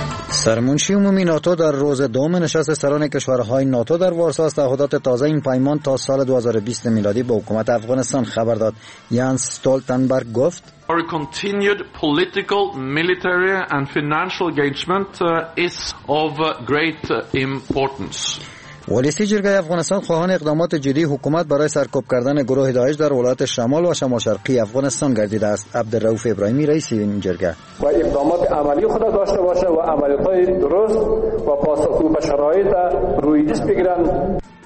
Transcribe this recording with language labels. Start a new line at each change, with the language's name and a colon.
Persian: سرمنشی عمومی ناتو در روز دوم نشست سران کشورهای ناتو در وارسا از تعهدات تازه این پیمان تا سال 2020 میلادی به حکومت افغانستان خبر داد. ینس استولتنبرگ گفت
English: Our continued political, military and financial engagement is of great importance.
Persian: ولیسی جرگه افغانستان خواهان اقدامات جدی حکومت برای سرکوب کردن گروه داعش در ولایت شمال و شمال شرقی افغانستان گردیده است. عبدالرؤوف ابراهیمی، رئیس این جرگه، باید اقدامات عملی خود داشته باشه و عملیاتی درست و پاسخگو به شرایط روی دست بگیرند.